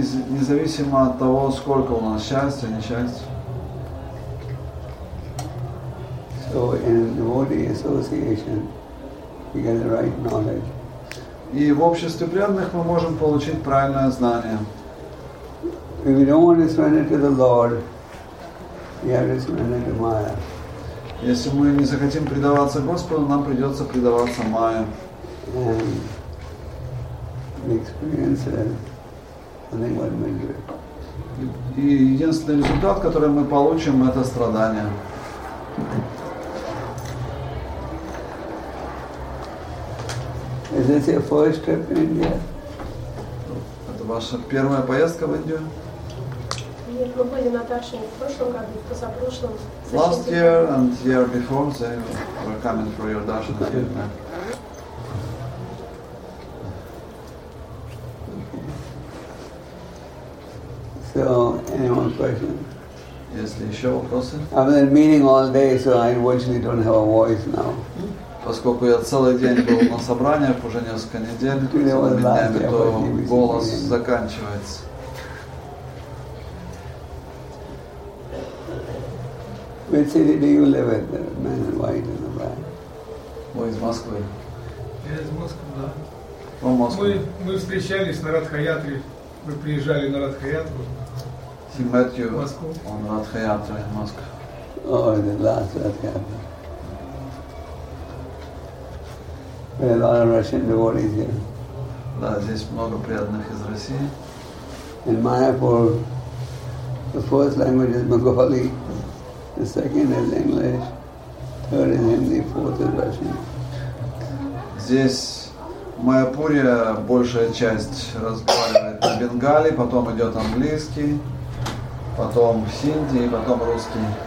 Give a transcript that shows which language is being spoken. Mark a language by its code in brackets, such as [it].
[ru] Независимо от того, сколько у нас счастья, несчастья. [en] So in devotee association, you get the right knowledge. [ru] И в обществе преданных мы можем получить правильное знание. [en] If you don't want to surrender to the Lord, you have to surrender to Maya. [ru] Если мы не захотим предаваться Господу, нам придется предаваться Майе. [en] And experience nothing but misery. [ru] И единственный результат, который мы получим, это страдания. [en] Is this your first trip in India? [ru] Это ваша первая поездка в Индию? Нет, мы были на даршане в прошлом году, позапрошлом. [en] Last year and year before, they were coming for your darshan. Okay. So, any more questions? [ru] Если еще вопросы? [en] I've been meeting all day, so I virtually don't have a voice now. [ru] Поскольку я целый день был на собраниях, уже несколько недель, целыми днями, то голос заканчивается. [en] Which city do you live in, the man in white and the black? [ru] Oh, из Москвы. Я из Москвы, да. [en] From Moscow. [ru] Мы встречались на Радхаятре. Мы приезжали на Радхаятру. [en] He met you on Радхаятре in Moscow. Oh, the last Радхаятра. We have a lot of Russian devotees here. [ru] Да, здесь много преданных из России. [en] In Mayapur, the first language is Bengali. The second is English, third is Hindi, fourth is Russian. [ru] Здесь, в Майяпуре, большая часть разговаривает на бенгали, потом идет английский, потом хинди и потом русский.